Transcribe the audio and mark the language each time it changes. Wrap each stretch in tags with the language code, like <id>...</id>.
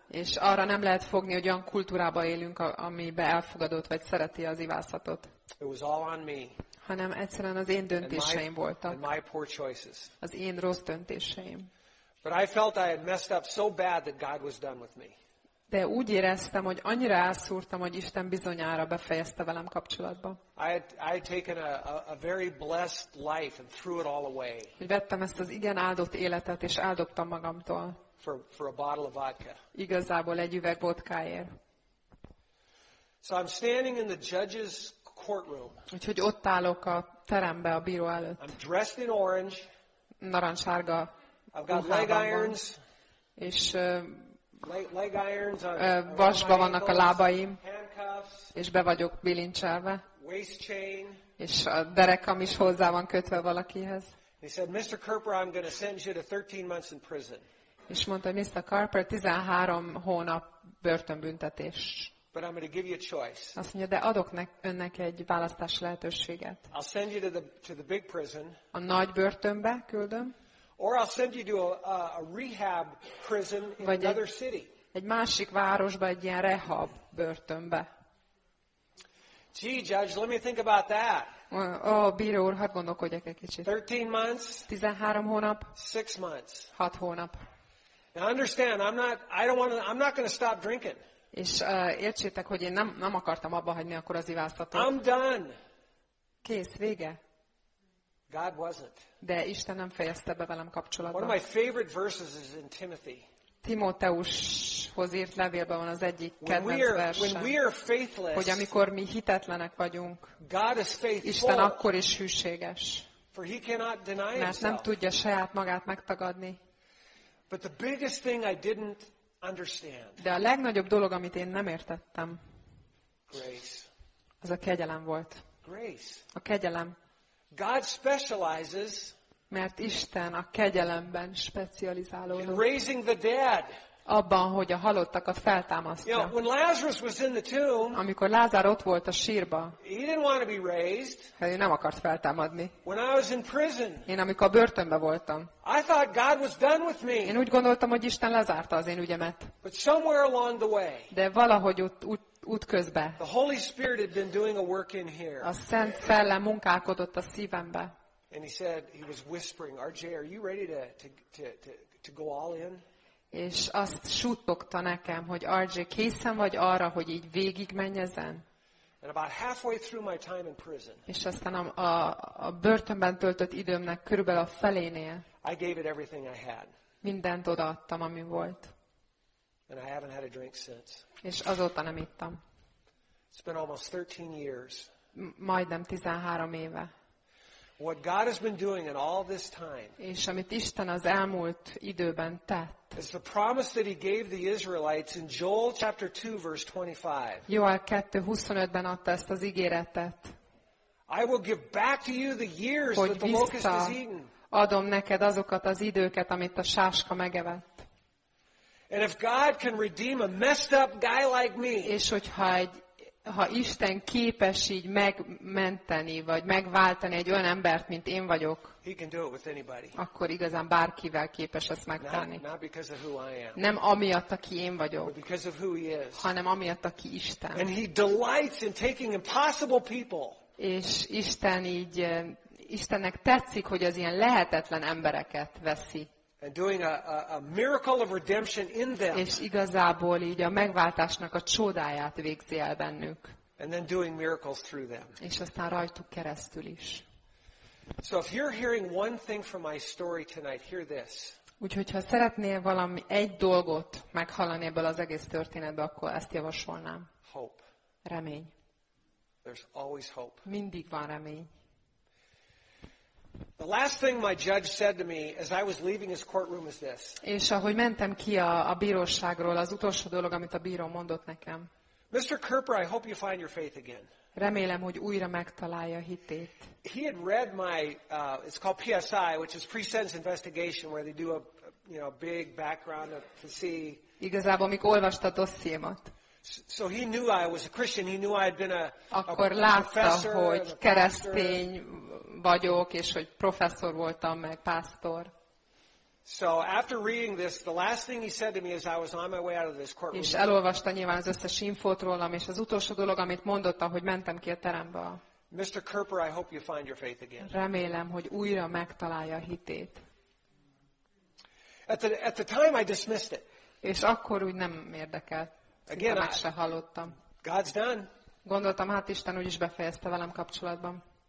<hu>És arra nem lehet fogni, hogy olyan kultúrába élünk, amibe elfogadott vagy szereti az ivászatot.</hu> <en>It was all on me.</en> <hu>Hanem egyszerűen az én döntéseim voltak.</hu> <en>And my poor choices.</en> <hu>Az én rossz döntéseim.</hu> <en>But I felt I had messed up so bad that God was done with me.</en> <hu>De úgy éreztem, hogy annyira elszúrtam, hogy Isten bizonyára befejezte velem kapcsolatba.</hu> <en>I had taken a very blessed life and threw it all away.</en> <hu>Vettem ezt az igen áldott életet és eldobtam magamtól.</hu> <en>For a bottle of vodka.</en> <hu>Igazából egy üveg vodkáért.</hu> <en>So I'm standing in the judge's courtroom.</en> <hu>Úgyhogy ott állok a terembe a bíró előtt.</hu> <en>I'm dressed in orange.</en> <hu>Narancssárga.</hu> <en>I've got leg irons.</en> <hu>És</hu> <en>leg irons on,</en> <hu>vasba vannak</hu> <en>ankles,</en> <hu>a lábaim,</hu> <en>handcuffs,</en> <hu>és be vagyok bilincselve,</hu> <en>waist chain,</en> <hu>és a derekam is hozzá van kötve valakihez.</hu> <en>He said, Mr. Carper, I'm going to send you to 13 months in prison.</en> <hu>És mondta, Mr. Carper, 13 hónap börtönbüntetés.</hu> <en>But I'm going to give you a choice.</en> <hu>Azt mondja, de adok önnek egy választás lehetőséget.</hu> <en>I'll send you to the big prison.</en> <hu>A nagy börtönbe küldöm.</hu> <en>Or I'll send you to a rehab prison in another city.</en> <hu>Egy másik városba, egy ilyen rehab börtönbe.</hu> <en>Gee, judge, let me think about that.</en> <hu>Oh, bíró úr, hadd gondolkodjak egy kicsit.</hu> <en>13 months.</en> <hu>13 hónap.</hu> <en>6 months.</en> <hu>6 hónap.</hu> <en>Now understand, I'm not going to stop drinking.</en> <hu>És értsétek, hogy én nem akartam abba hagyni akkor az ivászatot.</hu> <en>I'm done.</en> <hu>Kész, vége.</hu> <en>God wasn't.</en> <hu>De Isten nem fejezte be velem kapcsolatban.</hu> <en>One of my favorite verses is in Timothy.</en> <hu>Timóteushoz írt levélben van az egyik kedvenc</hu> <en>verse.</en> <hu>Hogy amikor mi hitetlenek vagyunk,</hu> <en>God is faithful,</en> <hu>Isten akkor is hűséges.</hu> <en>For he cannot deny himself.</en> <hu>Mert nem tudja saját magát megtagadni.</hu> <en>But the biggest thing I didn't understand.</en> <hu>De a legnagyobb dolog, amit én nem értettem,</hu> <en>grace.</en> <hu>Az a kegyelem volt.</hu> <en>Grace.</en> <hu>A kegyelem.</hu> <en>God specializes.</en> <hu>Mert Isten a kegyelemben specializálódik.</hu> <en>In raising the dead.</en> <hu>Abban, hogy a halottakat feltámasztja.</hu> <en>You know, when Lazarus was in the tomb.</en> <hu>Amikor Lázár ott volt a sírba.</hu> <en>He didn't want to be raised.</en> <hu>Hát ő nem akart feltámadni.</hu> <en>When I was in prison.</en> <hu>Én amikor börtönben voltam.</hu> <en>I thought God was done with me.</en> <hu>Én úgy gondoltam, hogy Isten lezárta az én ügyemet.</hu> <en>But somewhere along the way.</en> <hu>De valahogy ott útközbe.</hu> <en>The Holy Spirit had been doing a work in here.</en> <hu>A Szent Szellem munkálkodott a szívembe.</hu> <en>And he said, he was whispering, RJ, are you ready to go all in?</en> <hu>És azt suttogta nekem, hogy RJ, készen vagy arra, hogy így végig menjezen?</hu> <en>And about halfway through my time in prison.</en> <hu>És aztán a börtönben töltött időmnek körülbelül a felénél.</hu> <en>I gave it everything I had.</en> <hu>Mindent odaadtam, ami volt.</hu> <en>And I haven't had a drink since.</en> <hu>És azóta nem ittam.</hu> <en>It's been almost 13 years.</en> <hu>Majdnem 13 éve.</hu> <en>What God has been doing in all this time.</en> <hu>És amit Isten az elmúlt időben tett.</hu> <en>It's the promise that he gave the Israelites in Joel chapter 2 verse 25.</en> <hu>Joel 2:25-ben adta ezt az ígéretet.</hu> <en>I will give back to you the years that the locust has eaten.</en> <hu>Adom neked azokat az időket, amit a sáska megevett.</hu> <en>And if God can redeem a messed up guy like me.</en> <hu>És hogyha ha Isten képes így megmenteni vagy megváltani egy olyan embert, mint én vagyok, akkor igazán bárkivel képes ezt megtenni. Nem amiatt, aki én vagyok, hanem amiatt, aki Isten.</hu> <en>And he delights in taking impossible people.</en> <hu>És Isten így, Istennek tetszik, hogy az ilyen lehetetlen embereket veszi.</hu> <en>And doing a miracle of redemption in them.</en> <hu>És igazából így a megváltásnak a csodáját végzi el bennük.</hu> <en>And then doing miracles through them.</en> <hu>És aztán rajtuk keresztül is.</hu> <en>So if you're hearing one thing from my story tonight, hear this.</en> <hu>Úgyhogy ha szeretnél valami egy dolgot meghallani ebből az egész történetből, akkor ezt javasolnám.</hu> <en>Hope.</en> <hu>Remény.</hu> <en>There's always hope.</en> <hu>Mindig van remény.</hu> <en>The last thing my judge said to me as I was leaving his courtroom is this.</en> <hu>És ahogy mentem ki a bíróságról, az utolsó dolog, amit a bíró mondott nekem.</hu> <en>Mr. Kerper, I hope you find your faith again.</en> <hu>Remélem, hogy újra megtalálja hitét.</hu> <en>He had read my it's called PSI, which is pre-sentence investigation, where they do a you know big background to see.</en> <hu>Igazából mikor olvasta a dossziémat.</hu> <en>So he knew I was a Christian. He knew I had been a</en> <hu>akkor látta, hogy keresztény vagyok, és hogy professzor voltam, meg pásztor.</hu> <en>So after reading this, the last thing he said to me as I was on my way out of this courtroom.</en> <hu>És elolvasta nyilván az összes infót rólam, és az utolsó dolog, amit mondotta, hogy mentem ki a terembe.</hu> <en>Mr. Kerper, I hope you find your faith again.</en> <hu>Remélem, hogy újra megtalálja a hitét.</hu> <en>At the time I dismissed it.</en> <hu>És akkor úgy nem érdekelt. Szinte meg se hallottam.</hu> <en>God's done.</en> <hu>Gondoltam, hát Isten úgyis befejezte velem kapcsolatban.</hu>